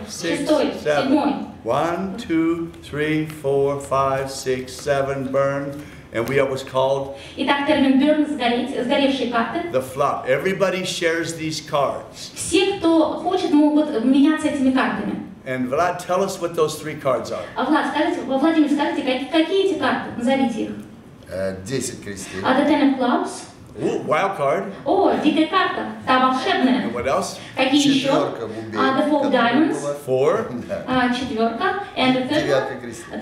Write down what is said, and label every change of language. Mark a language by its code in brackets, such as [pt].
[en] Six, [ru] шестой. [en] Seven. [ru] Седьмой. [en] One, two, three, four, five, six, seven, burn. And we have what's called? [ru] Итак, термин burn, сгоревшие карты. [en] The flop. Everybody shares these cards. [ru] Все, кто хочет, могут меняться этими картами. [en] And Vlad, tell us what those three cards are. [ru] Владимир, скажите, какие эти карты? Назовите их. Десять крестей. [en] The ten of clubs. Ooh, wild card. [ru] О, дикая карта. Та волшебная. [en] And what else? [ru] Какие еще? Четверка в убей. [en] The four of diamonds. Four. [ru] Четверка. [en] And the third. [ru] Девятка крестей.